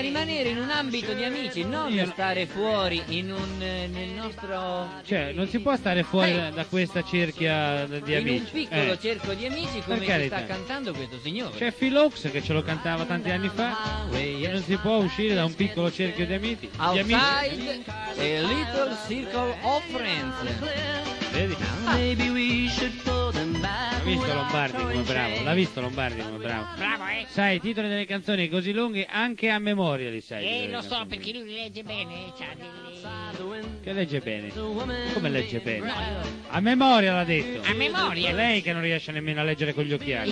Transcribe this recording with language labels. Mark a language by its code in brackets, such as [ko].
[it] Rimanere in un ambito di amici, non io... stare fuori in un nel nostro. Cioè, non si può stare fuori da questa cerchia di amici. In un piccolo cerchio di amici, come per si carità. Sta cantando questo signore. C'è Phil Oaks che ce lo cantava tanti anni fa. Non si può uscire da un piccolo cerchio di amici. [en] Outside [it] di amici. [en] A little circle of friends. [it] Vedi? [en] Maybe we should pull them back. [it] L'ha visto Lombardi come bravo. L'ha visto Lombardi come bravo. Bravo, eh. Sai, i titoli delle canzoni così lunghe anche a memoria li sai. Lo so, perché lui legge bene, Charlie. Che legge bene? Come legge bene? No, a memoria l'ha detto. A memoria. È lei che non riesce nemmeno a leggere con gli occhiali.